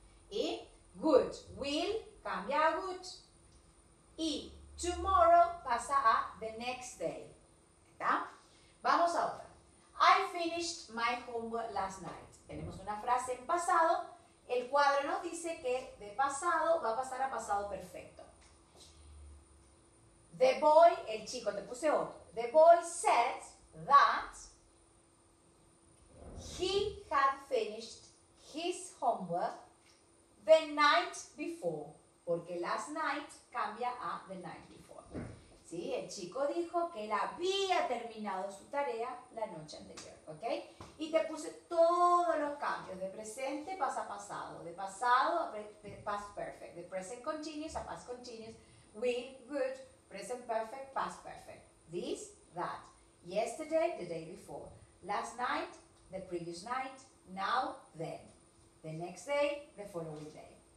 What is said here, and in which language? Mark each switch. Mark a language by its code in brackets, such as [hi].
[es] Y would, will, cambia a would. Y tomorrow pasa a the next day. ¿Está? Vamos a otra. [en] I finished my homework last night. [es] Tenemos una frase en pasado. El cuadro nos dice que de pasado va a pasar a pasado perfecto. The boy, el chico, te puse otro. [en] The boy said that he had finished his homework the night before. [es] Porque last night cambia a the night before. Sí, el chico dijo que él había terminado su tarea la noche anterior, ¿ok? Y te puse todos los cambios, de presente pasa pasado, de pasado a past perfect, de present continuous a past continuous, will, would, present perfect, past perfect, this, that, yesterday, the day before, last night, the previous night, now, then, the next day, the following day.